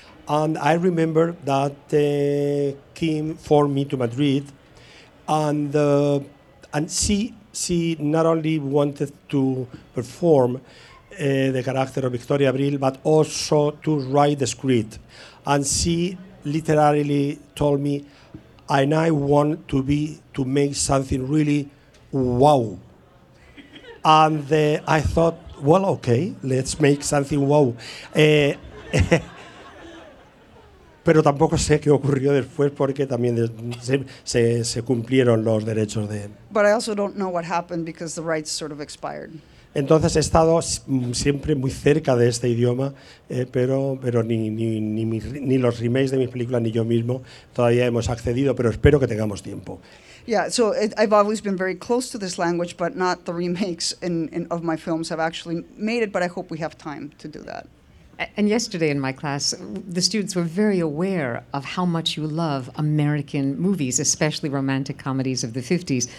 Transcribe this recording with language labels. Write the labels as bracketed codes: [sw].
[en] And I remember that Kim phoned me to Madrid, and she not only wanted to perform the character of Victoria Abril, but also to write the script. And she literally told me, and I want to make something really wow. And I thought, well, okay, let's make something wow. [es] Pero tampoco sé qué ocurrió después, porque también se cumplieron los derechos de... [en] But I also don't know what happened because the rights sort of expired. [es] Entonces he estado siempre muy cerca de este idioma, pero ni los remakes de mis películas ni yo mismo todavía hemos accedido, pero espero que tengamos tiempo. [en] Yeah, so I've always been very close to this language, but not the remakes in of my films have actually made it, but I hope we have time to do that. And yesterday in my class, the students were very aware of how much you love American movies, especially romantic comedies of the 50s.